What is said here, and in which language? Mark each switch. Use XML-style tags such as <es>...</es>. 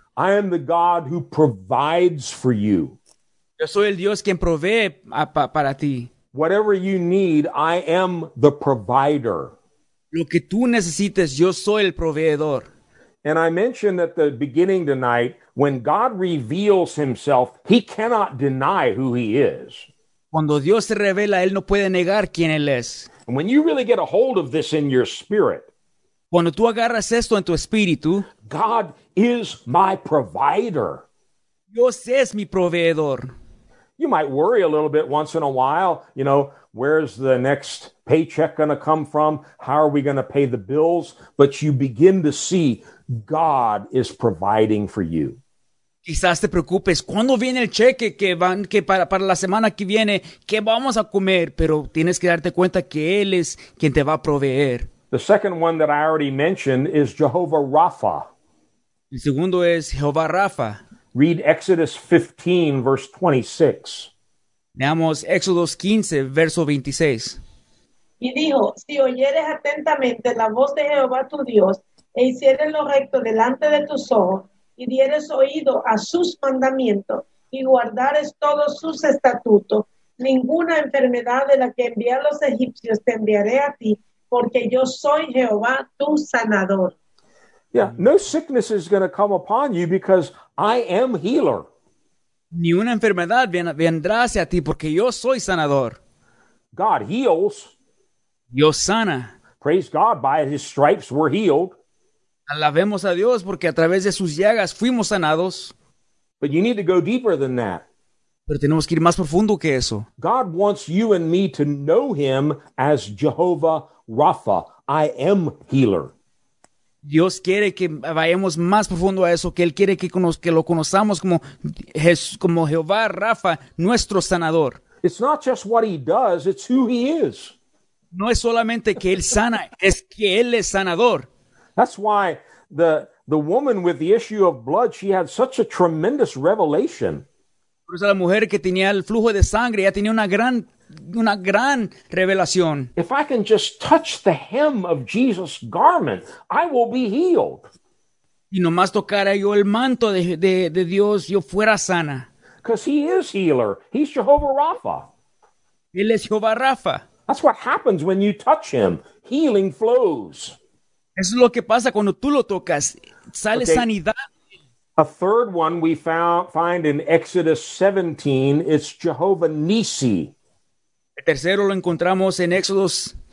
<en>I am the God who provides for you.</en> <es>Yo soy el Dios quien provee para ti.</es> <en>Whatever you need, I am the provider.</en> <es>Lo que tú necesites, yo soy el proveedor.</es> <en>And I mentioned at the beginning tonight, when God reveals himself, he cannot deny who he is.</en> <es>Cuando Dios se revela, él no puede negar quién él es.</es> <en>And when you really get a hold of this in your spirit,</en> <es>cuando tú agarras esto en tu espíritu,</es> <en>God is my provider.</en> <es>Dios es mi proveedor.</es> <en>You might worry a little bit once in a while, you know, where's the next paycheck going to come from? How are we going to pay the bills? But you begin to see God is providing for you.</en> <es>Quizás te preocupes, ¿cuándo viene el cheque que para la semana que viene? ¿Qué vamos a comer? Pero tienes que darte cuenta que Él es quien te va a proveer.</es> <en>The second one that I already mentioned is Jehovah Rapha.</en> <es>El segundo es Jehová Rapha.</es> <en>Read Exodus 15, verse 26.</en> <es>Leamos Éxodo 15, verso 26. Y dijo, si oyeres atentamente la voz de Jehová tu Dios, e hicieres lo recto delante de tus ojos, y dieres oído a sus mandamientos, y guardares todos sus estatutos, ninguna enfermedad de la que envié a los egipcios te enviaré a ti, porque yo soy Jehová tu sanador.</es> <en>Yeah, no sickness is going to come upon you because I am healer.</en> <es>Ni una enfermedad vendrá hacia ti porque yo soy sanador.</es> <en>God heals.</en> <es>Yo sana.</es> <en>Praise God, by his stripes we're healed.</en> <es>Alabemos a Dios porque a través de sus llagas fuimos sanados.</es> <en>But you need to go deeper than that.</en> <es>Pero tenemos que ir más profundo que eso.</es> <en>God wants you and me to know him as Jehovah Rapha. I am healer.</en> <es>Dios quiere que vayamos más profundo a eso, que Él quiere que lo conozcamos como Jehová Rapha, nuestro sanador.</es> <en>It's not just what he does, it's who he is.</en> <es>No es solamente que Él sana, es que Él es sanador.</es> <en>That's why the woman with the issue of blood, she had such a tremendous revelation.</en> <es>Por eso la mujer que tenía el flujo de sangre, ella tenía una gran revelación.</es> <en>If I can just touch the hem of Jesus' garment, I will be healed.</en> <es>Y nomás tocara yo el manto de Dios, yo fuera sana.</es> <en>Because he is healer. He's Jehovah Rapha.</en> <es>Él es Jehová Rapha.</es> <en>That's what happens when you touch him. Healing flows.</en> <es>Eso es lo que pasa cuando tú lo tocas. Sale okay. Sanidad.</es> <en>A third one we find in Exodus 17, it's Jehovah Nissi.</en> <es>El tercero lo encontramos en Éxodos</es>